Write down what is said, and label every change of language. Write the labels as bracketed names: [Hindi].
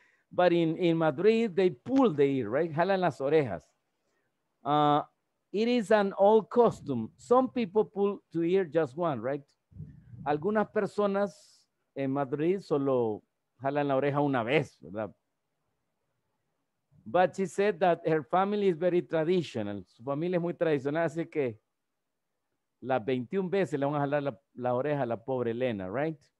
[English] But in Madrid, they pull the ear, right? [Spanish] Jalan las orejas. [English] It is an old custom. Some people pull to ear just one, right? [Spanish] Algunas personas en Madrid solo jalan la oreja una vez, ¿verdad? [English] But she said that her family is very traditional. [Spanish] Su familia es muy tradicional, así que las 21 veces le van a jalar la oreja a la pobre Elena, right?